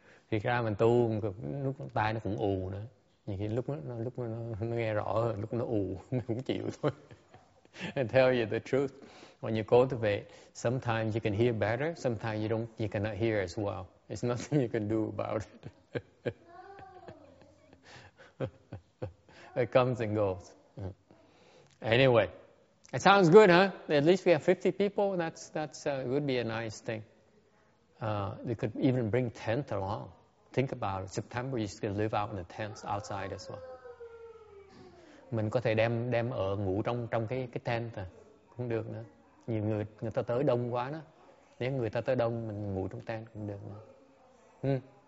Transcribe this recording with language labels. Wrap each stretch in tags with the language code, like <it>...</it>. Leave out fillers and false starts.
<vi>Thì ra mình tu lúc tai nó cũng ù nữa, nhiều khi lúc nó nghe rõ hơn, lúc nó ù nó cũng chịu thôi.</vi> <en>I tell you the truth, when you cultivate, sometimes you can hear better, sometimes you cannot hear as well. It's nothing you can do about it. It comes and goes. Anyway, it sounds good, huh? At least we have 50 people. That's would be a nice thing. They could even bring tent along. Think about it. September, you can live out in the tents outside as well.</en> <vi>Mình có thể đem ở ngủ trong cái tent à. Cũng được nữa. Nhiều người ta tới đông quá đó. Nếu người ta tới đông, mình ngủ trong tent cũng được nữa.</vi>